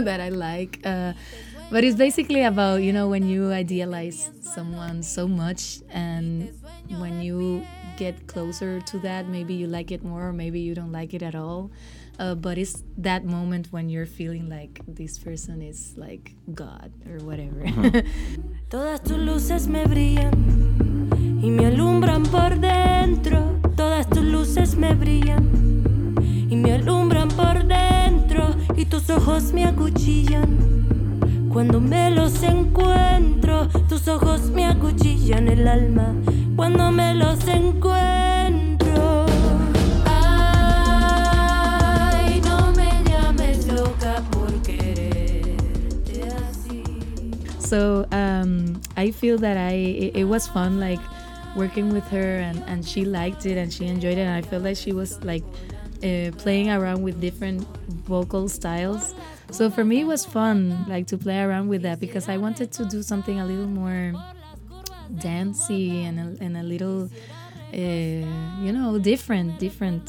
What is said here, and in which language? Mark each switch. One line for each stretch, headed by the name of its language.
English: That I like, but it's basically about, you know, when you idealize someone so much, and when you get closer to that, maybe you like it more, or maybe you don't like it at all. But it's that moment when you're feeling like this person is like God or whatever.
Spanish: Todas tus luces me brillan y me alumbran por dentro. Todas tus luces me brillan y me alumbran por dentro. Y tus ojos me acuchillan. Cuando me los encuentro, tus ojos me acuchillan el alma. Cuando me los encuentro. Ay, no me llames loca por quererte así.
English: So, I feel that it was fun, like, working with her, and she liked it and she enjoyed it. And I felt like she was, like, playing around with different vocal styles. So for me, it was fun, like, to play around with that, because I wanted to do something a little more dancey and a little, different.